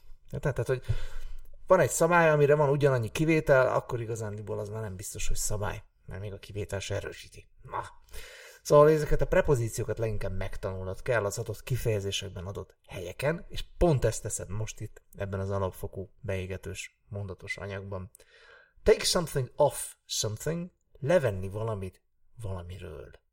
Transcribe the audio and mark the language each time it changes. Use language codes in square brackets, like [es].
[hu] Tehát, hogy van egy szabály, amire van ugyanannyi kivétel, akkor igazándiból az már nem biztos, hogy szabály, mert még a kivétel se erősíti. Na. Szóval ezeket a prepozíciókat leginkább megtanulnod kell az adott kifejezésekben adott helyeken, és pont ezt teszed most itt, ebben az alapfokú, beégetős, mondatos anyagban. [en] Take something off something. [hu] Levenni valamit valamiről.